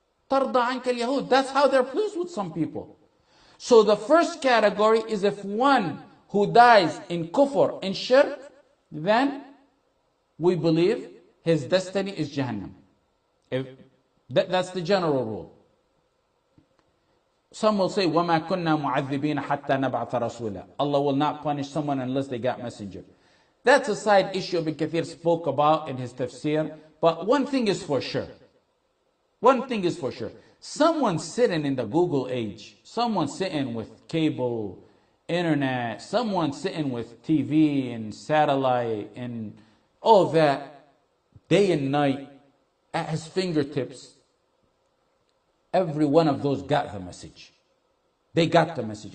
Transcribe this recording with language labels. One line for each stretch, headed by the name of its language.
Arabic: تَرْضَ عَنْكَ الْيَهُودِ.
English: That's how they're pleased with some people. So the first category is if one who dies in kufr and shirk, then we believe his destiny is Jahannam. That's the general rule. Some will say,
Arabic: وَمَا كُنَّا مُعَذِّبِينَ حَتَّى نَبْعَثَ رَسُولًا.
English: Allah will not punish someone unless they got messenger. That's a side issue Ibn Kathir spoke about in his tafsir. But one thing is for sure. One thing is for sure. Someone sitting in the Google age, someone sitting with cable, internet, someone sitting with TV and satellite and all that, day and night, at his fingertips, every one of those got the message. They got the message.